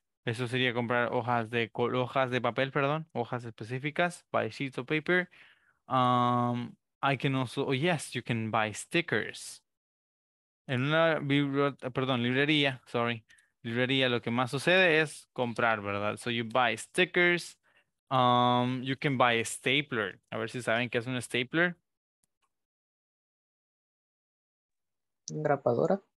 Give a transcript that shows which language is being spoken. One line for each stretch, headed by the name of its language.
Spanish: Eso sería comprar hojas de papel, perdón, hojas específicas,
English: buy sheets of paper. I can also, oh yes, you can buy stickers.
Spanish: En una librería, lo que más sucede es comprar, ¿verdad?
English: So you buy stickers. You can buy a stapler.
Spanish: A ver si saben qué es un stapler. Engrapadora.